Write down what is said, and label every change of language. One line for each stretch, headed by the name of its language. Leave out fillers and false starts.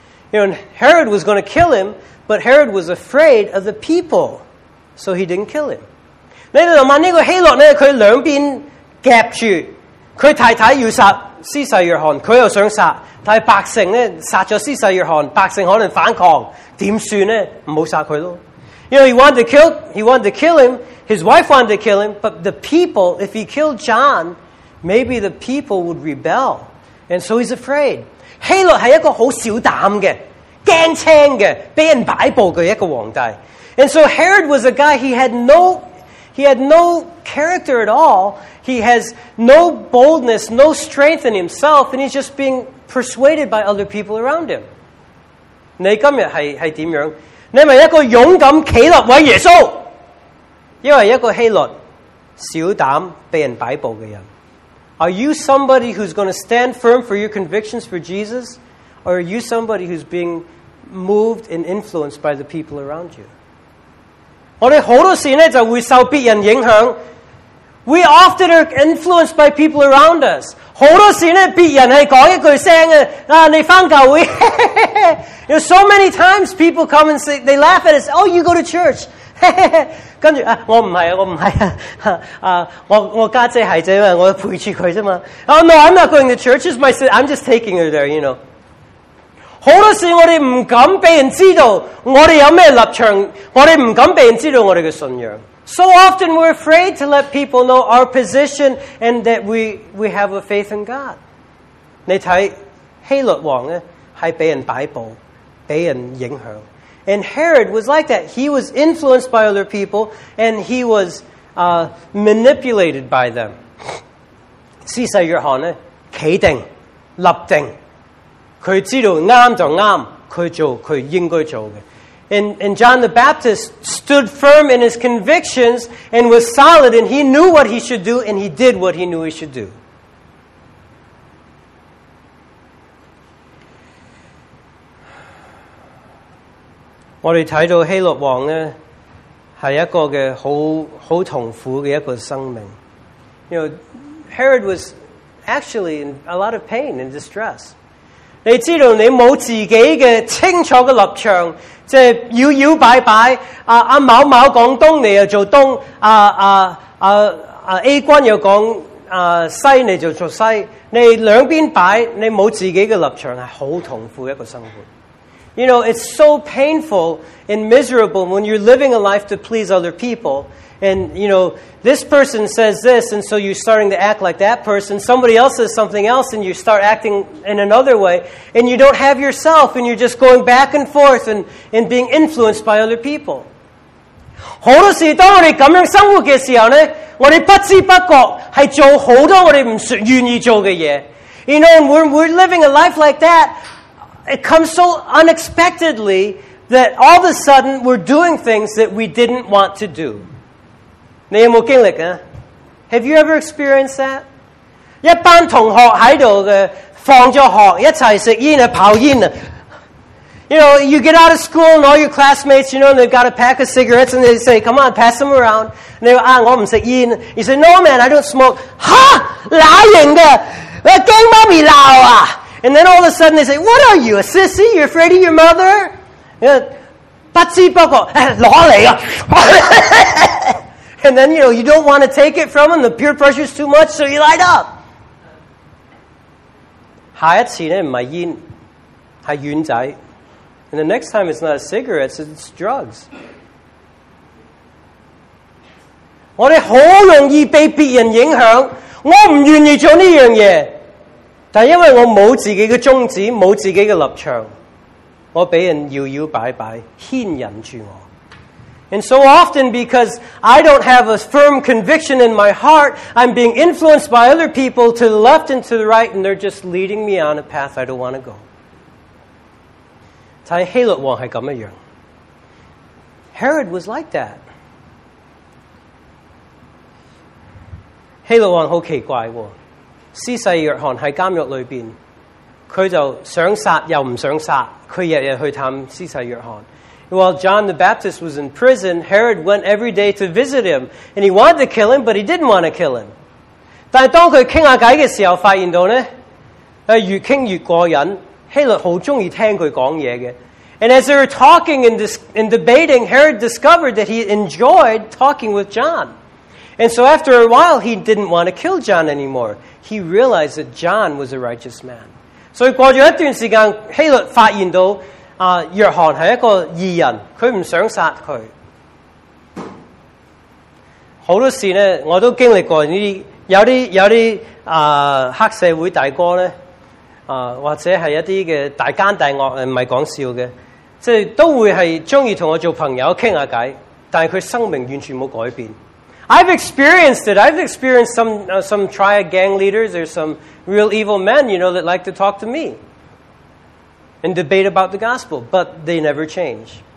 English: You know, Herod was going to kill him, but Herod was afraid of the people, so he didn't kill him.
Cantonese: 你哋谂下呢个希律咧，佢两边夹住，佢太太要杀司祭约翰，佢又想杀，但系百姓咧杀咗司祭约翰，百姓可能反抗，点算咧？唔好杀佢咯。
English: You know, he wanted to kill him, his wife wanted to kill him, but the people, if he killed John, maybe the people would rebel. And so he's afraid. 希律是一个很小胆的，惊青的，被人摆布的一个皇帝。 And so Herod was a guy, he had no character at all. He has no boldness, no strength in himself, and he's just being persuaded by other people around him.
Cantonese: 你今天 是怎样？你是一个勇敢企立为耶稣，因为一个希律小胆被人摆布的人。
English: Are you somebody who's going to stand firm for your convictions for Jesus? Or are you somebody who's being moved and influenced by the people around you?
Cantonese: 我们很多时候就会受别人影响。
English: We often are influenced by people around us.
Cantonese: 很多时候别人是讲一句声啊，你翻教会。
English: You know, so many times people come and say, they laugh at us, oh, you go to church.
Cantonese: 跟住啊，我唔系啊，我唔系啊，我家姐系啫嘛，我陪住佢啫嘛。
English: Oh no, I'm not going to church. It's my sin. I'm just taking her there, you know.
Cantonese: 好多事我哋唔敢俾人知道，我哋有咩立场，我哋唔敢俾人知道我哋嘅信仰。
English: So often we're afraid to let people know our position and that we have a faith in God.
Cantonese: 你睇希律王咧，系俾人摆布，俾人影响。
English: And Herod was like that. He was influenced by other people, and he was manipulated by them.
Cantonese: 司祭约翰呢，企定、立定，佢知道啱就啱，佢做佢应该做嘅。
English: And John the Baptist stood firm in his convictions and was solid, and he knew what he should do, and he did what he knew he should do.
Cantonese: 我哋睇到希律王咧，系一个嘅好痛苦嘅一个生命。
English: You know, Herod was actually in a lot of pain and distress.
Cantonese: 你知道你冇自己嘅清楚嘅立场，即系摇摇摆摆。阿某某讲东，你又做东；A 君又讲西，你就做西。你两边摆，你冇自己嘅立场，系好痛苦一个生活。
English: You know, it's so painful and miserable when you're living a life to please other people. And, you know, this person says this, and so you're starting to act like that person. Somebody else says something else, and you start acting in another way. And you don't have yourself, and you're just going back and forth and being influenced by other people.
Cantonese: 很多时当我们这样生活的时候呢，我们不知不觉是做很多我们不愿意做的事。
English: You know, and we're living a life like that,It comes so unexpectedly that all of a sudden we're doing things that we didn't want to do.
Cantonese: 你有冇经历啊 ？
English: Have you ever experienced that？
Cantonese: 一班同学喺度嘅，放咗学一齐食烟啊，泡烟啊。
English: You know, you get out of school and all your classmates, you know, and they've got a pack of cigarettes and they say, come on, pass them around. And they go, ah,
Cantonese: 我唔食烟。
English: You say, no man, I don't smoke.
Cantonese: 哈，哪型的？我惊妈咪闹啊。
English: And then all of a sudden they say, what are you, a sissy? You're afraid of your mother? You know,
Cantonese: 不知不觉，哎，攞嚟啊。
English: And then, you know, you don't want to take it from them. The peer pressure is too much, so you light up.
Cantonese: 下一次呢，唔系烟，系丸仔。
English: And the next time it's not cigarettes, it's drugs.
Cantonese: 我哋好容易被别人影响，我唔愿意做呢样嘢，但因为我冇自己嘅宗旨，冇自己嘅立场，我俾人摇摇摆摆，牵引住我。
English: And so often, because I don't have a firm conviction in my heart, I'm being influenced by other people to the left and to the right, and they're just leading me on a path I don't want to go.
Cantonese: 但希律王是这样。
English: Herod was like that.
Cantonese: 希律王很奇怪。施洗约翰在监狱里面，他就想杀又不想杀，他日日去探施洗约翰。 While John the Baptist was in prison, Herod went every day to visit him, and he wanted to kill him, but he didn't want to kill him. 但当他倾下偈的时候，发现到呢，越倾越过瘾。希律很喜欢听他讲话的。
English: And as they were talking and debating, Herod discovered that he enjoyed talking with John. And so after a while, he didn't want to kill John anymore. He realized that John was a righteous man.
Cantonese: So 过了一段时间，希律发现到约翰是一个义人，他不想杀他。好多事呢，我都经历过这些，有些黑社会大哥呢，或者是一些的大奸大恶，不是讲笑的，即都会是喜欢跟我做朋友聊聊天，但是他生命完全没有改变。
English: I've experienced it. I've experienced some triad gang leaders or some real evil men, you know, that like to talk to me and debate about the gospel, but they never change.